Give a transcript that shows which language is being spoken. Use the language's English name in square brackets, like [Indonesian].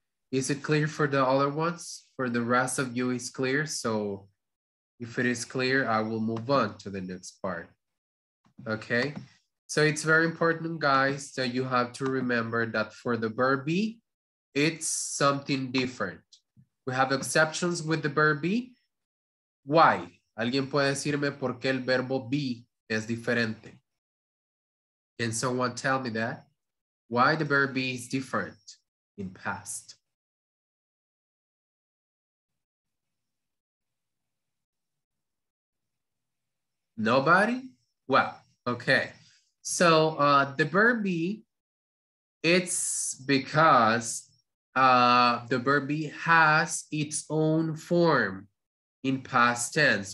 [English] Is it clear for the other ones? For the rest of you, it's clear. So if it is clear, I will move on to the next part. Okay. So it's very important, guys, that you have to remember that for the verb be, it's something different. We have exceptions with the verb be. Why? [Spanish] ¿Alguien puede decirme por qué el verbo be es diferente? [English] Can someone tell me that? Why the verb be is different in past? Nobody? Well, okay. So the verb be, it's because the verb be has its own form in past tense.